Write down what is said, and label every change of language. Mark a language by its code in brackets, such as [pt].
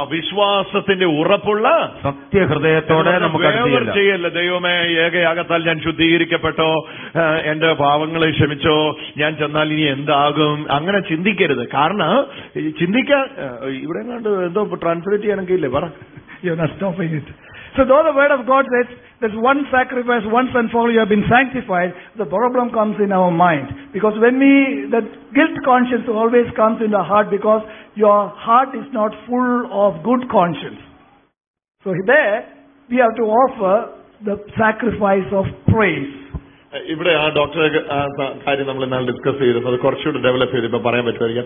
[ml] വിശ്വാസത്തിന്റെ ഉറപ്പുള്ള സത്യഹൃദയത്തോടെ നമുക്ക് ചെയ്യല്ല. ദൈവമേ, ഏകയാഗത്താൽ ഞാൻ ശുദ്ധീകരിക്കപ്പെട്ടോ, എന്റെ പാപങ്ങളെ ക്ഷമിച്ചോ, ഞാൻ ചെന്നാൽ ഇനി എന്താകും, അങ്ങനെ ചിന്തിക്കരുത്. കാരണം ചിന്തിക്കാൻ ഇവിടെ കണ്ട് എന്തോ ട്രാൻസ്ലേറ്റ് ചെയ്യണമെങ്കിലേ പറ. [en] You must stop it. So though the word of God says there's one sacrifice once and for all, you have been sanctified, the problem comes in our mind. Because when we, the guilt conscience always comes in the heart, because your heart is not full of good conscience. So there we have to offer the sacrifice of praise. [ml] ഇവിടെ ആ ഡോക്ടറെ കാര്യം നമ്മൾ ഇന്നലെ discuss ചെയ്തിരുന്നു, അത് കുറച്ചുകൂടി develop ചെയ്ത് ഇപ്പൊ പറയാൻ പറ്റുമായിരിക്കും.